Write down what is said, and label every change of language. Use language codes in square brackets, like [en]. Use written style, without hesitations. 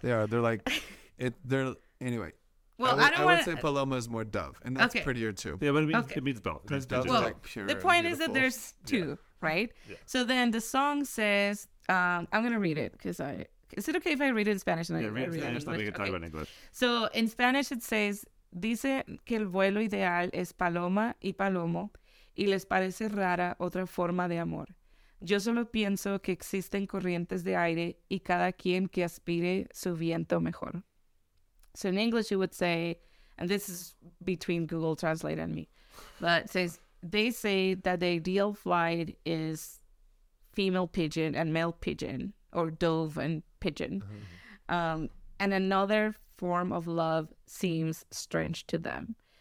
[en] they are. They're like, anyway. Well, I would say paloma is more dove, and that's prettier too. Yeah, but it means both. Because dove is like pure. The point is that there's two, right? Yeah. So then the song says, I'm going to read it because is it okay if I read it in Spanish? And read it in Spanish, then we can talk about English. [es] So in Spanish, it says, dice que el vuelo ideal es paloma y palomo, y les parece rara otra forma de amor. Yo solo pienso que existen corrientes de aire y cada quien que aspire su viento mejor. [en] So in English you would say, and this is between Google Translate and me, but it says, they say that the ideal flight is female pigeon and male pigeon, or dove and pigeon. And another form of love seems strange to them.